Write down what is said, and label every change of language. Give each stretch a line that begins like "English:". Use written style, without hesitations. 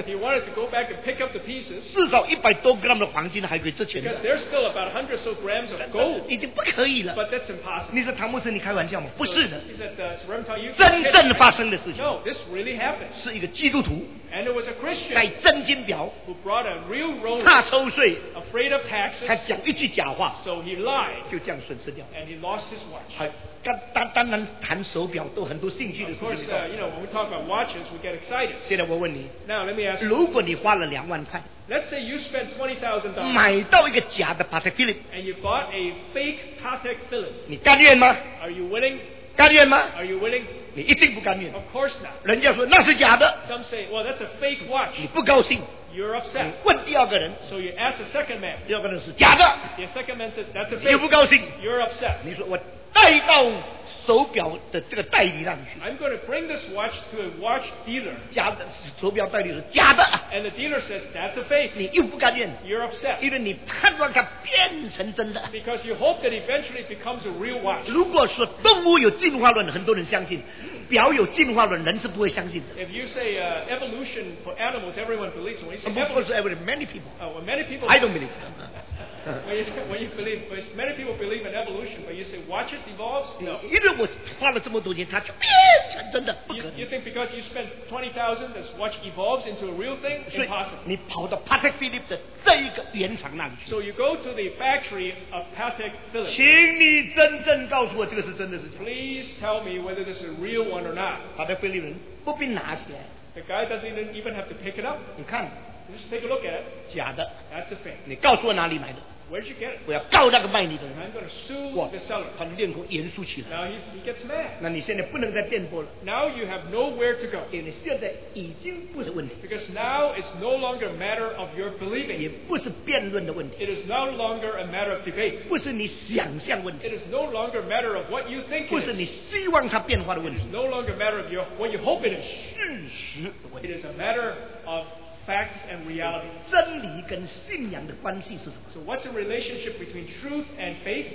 English: he wanted to go back and pick up the pieces.
Chinese: 至少100多gram的黄金还可以值钱,
English: because there's still about 100 so grams of gold.
Chinese: 已经不可以了,
English: but that's impossible.
Chinese: 你说唐牧师你开玩笑吗? 不是的,
English: so, he said,
Chinese: 真正发生的事情,
English: no, this really happened.
Chinese: 是一个基督徒,
English: and it was a Christian,
Chinese: 带真金表,
English: who brought a real Rolex,
Chinese: 怕抽税,
English: afraid of taxes,
Chinese: 还讲一句假话,
English: so he lied,
Chinese: 就这样损失,
English: and he lost his watch.
Chinese: 当然谈手表都很多兴趣的事情,
English: of course, you know, when we talk about watches, we get excited.
Chinese: 现在我问你,
English: now let me ask you,
Chinese: 如果你花了20,000块,
English: let's say you spent $20,000,
Chinese: 买到一个假的 Patek Philippe,
English: and you bought a fake Patek Philippe,
Chinese: 你甘愿吗?
English: Are you willing?
Chinese: 甘愿吗?
English: Are you willing?
Chinese: 你一定不甘愿,
English: of course not.
Chinese: 人家说那是假的,
English: some say, well, that's a fake watch,
Chinese: 你不高兴,
English: you're upset.
Chinese: 你问第二个人,
English: so you ask the second man,
Chinese: 第二个人是假的,
English: the second man says, that's a fake,
Chinese: 你又不高兴,
English: you're upset.
Chinese: 你说我 带到手表的这个代理那里去,
English: I'm going to bring this watch to a watch dealer.
Chinese: 假的,手表代理是假的,
English: and the dealer says, that's a fake.
Chinese: 你又不甘愿,
English: you're upset.
Chinese: 因为你盼望它变成真的,
English: because you hope that eventually it becomes a real watch.
Chinese: 如果说动物有进化论, 很多人相信, 表有进化论, 人是不会相信的,
English: if you say evolution for animals, everyone believes. When you say evolution, of course, everyone, many people, well, many people, I don't believe. When you believe, many people believe in evolution, but you say watches evolves? No.
Chinese: 因为我花了这么多钱, 它就变成真的,
English: you think because you spent $20,000, this watch evolves into a real thing? Impossible.
Chinese: 你跑到Patek Philippe的这一个原厂那里去,
English: so you go to the factory of Patek Philippe.
Chinese: 请你真正告诉我这个是真的事情,
English: please tell me whether this is a real one or not.
Chinese: Patek Philippe人不必拿起来,
English: the guy doesn't even have to pick it up.
Chinese: 你看,
English: just take a look at it.
Chinese: 假的,
English: that's a fake.
Chinese: 你告诉我哪里买的,
English: where'd you get it?
Chinese: 我要告那个卖你的人,
English: I'm going to sue the seller.
Chinese: 他脸孔严肃起来,
English: now he gets mad.
Chinese: 那你现在不能再辩驳了,
English: now you have nowhere to go.
Chinese: 现在已经不是问题,
English: because now it's no longer a matter of your believing.
Chinese: 也不是辩论的问题,
English: it is no longer a matter of debate.
Chinese: 不是你想象问题,
English: it is no longer a matter of what you think it is.
Chinese: 不是你希望它变化的问题,
English: it is no longer a matter of your, what you hope it is.
Chinese: 事实的问题,
English: it is a matter of facts and reality.
Chinese: 真理跟信仰的关系是什么?
English: So what's the relationship between truth and faith?